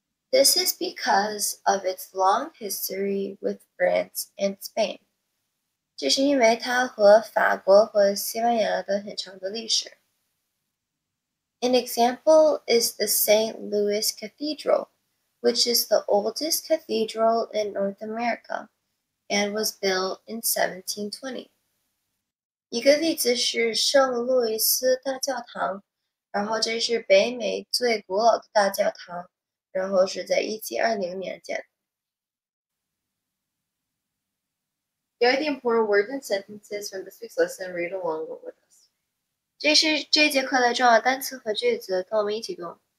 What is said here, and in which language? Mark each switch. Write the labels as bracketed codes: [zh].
[en] This is because of its long history with France and Spain. [zh] 这是因为它和法国和西班牙的很长的历史。 [en] An example is the St. Louis Cathedral, which is the oldest cathedral in North America and was built in 1720. [zh] 一个例子是圣路易斯大教堂，然后这是北美最古老的大教堂，然后是在1720年建的。 [en] Get the important words and sentences from this week's lesson. Read along with us. [zh] 这是这节课的重要单词和句子，跟我们一起读。